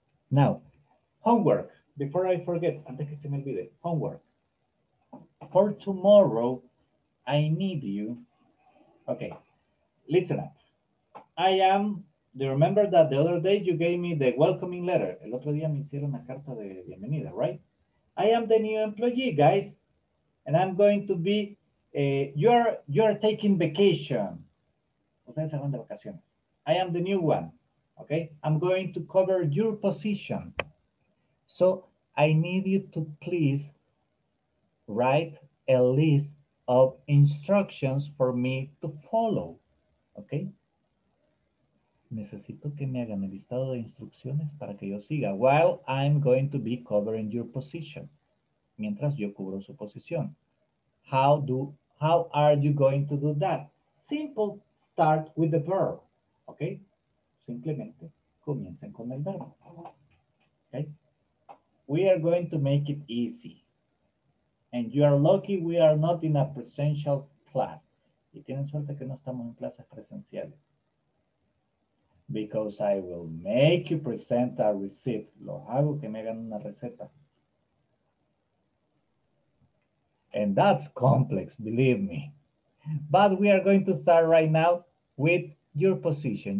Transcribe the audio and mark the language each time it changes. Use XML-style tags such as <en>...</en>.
<en>Now, homework, before I forget,</en> <es>antes que se me olvide,</es> <en>homework. For tomorrow, I need you. Okay, listen up. I am, do you remember that the other day you gave me the welcoming letter?</en> <es>El otro día me hicieron una carta de bienvenida, right?</es> <en>I am the new employee, guys. And I'm going to be, you're taking vacation.</en> <es>Ustedes se van de vacaciones.</es> <en>I am the new one. Okay, I'm going to cover your position. So I need you to please write a list of instructions for me to follow. Okay.</en> <es>Necesito que me hagan el listado de instrucciones para que yo siga.</es> <en>While I'm going to be covering your position.</en> <es>Mientras yo cubro su posición.</es> <en>How are you going to do that? Simple, start with the verb. Okay.</en> <es>Simplemente comiencen con el verbo.</es> <en>Okay. We are going to make it easy. And you are lucky we are not in a presential class.</en> <es>Y tienen suerte que no estamos en clases presenciales.</es> <en>Because I will make you present a receipt.</en> <es>Lo hago que me hagan una receta.</es> <en>And that's complex, believe me. But we are going to start right now with your position.</en>